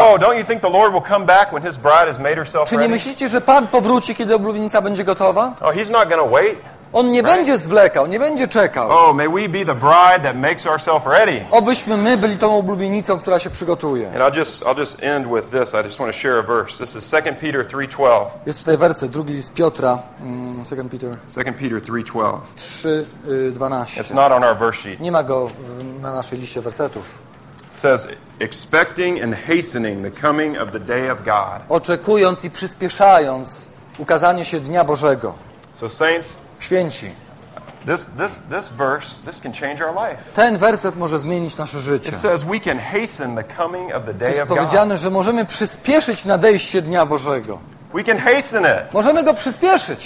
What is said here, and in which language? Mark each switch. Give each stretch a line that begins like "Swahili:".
English: Oh, don't you think the Lord will come back when his bride has made herself ready?
Polish: Czy nie myślicie, że Pan powróci, kiedy oblubienica będzie gotowa?
English: Oh, he's not gonna wait.
Polish: On nie będzie zwlekał, nie będzie czekał.
English: Oh, may we be the bride that makes ourselves ready.
Polish: Obyśmy my byli tą oblubienicą, która się przygotuje.
English: And I'll just end with this. I just want to share a verse. This is 2 Peter 3:12.
Polish: Jest tutaj werset, drugi list Piotra,
English: 2 Peter 3:12. 3:12. It's not on our verse sheet.
Polish: Nie ma go na naszej liście wersetów.
English: It says, expecting and hastening the coming of the day of God.
Polish: Oczekując i przyspieszając ukazanie się dnia Bożego.
English: So saints,
Polish: święci.
English: This verse, this can change our life.
Polish: Ten werset może zmienić nasze życie.
English: It says we can hasten the coming of the day of God.
Polish: Jest powiedziane, że możemy przyspieszyć nadejście dnia Bożego.
English: We can hasten it.
Polish: Możemy go przyspieszyć.